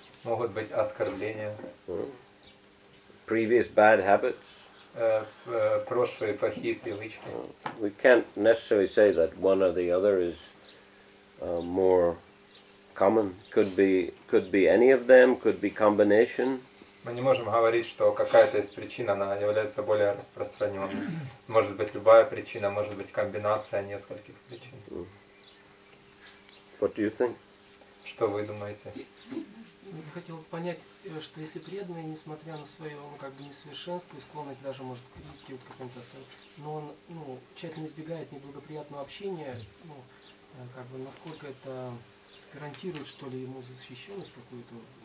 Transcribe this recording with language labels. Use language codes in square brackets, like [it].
[ru] Могут быть оскорбления. [en] Previous bad habits. [ru] Прошлые плохие привычки. [en] We can't necessarily say that one or the other is more common. Could be any of them, could be combination. [ru] Мы не можем говорить, что какая-то из причин она является более распространенной. Может быть любая причина, может быть комбинация нескольких причин. [en] What do you think? [ru] Что вы думаете? Я хотел бы понять, что если преданный, несмотря на свое как бы несовершенство и склонность даже может к критике, вот, каком-то, но он, ну, тщательно избегает неблагоприятного общения, ну, как бы насколько это гарантирует, что ли, ему защищенность какую-то?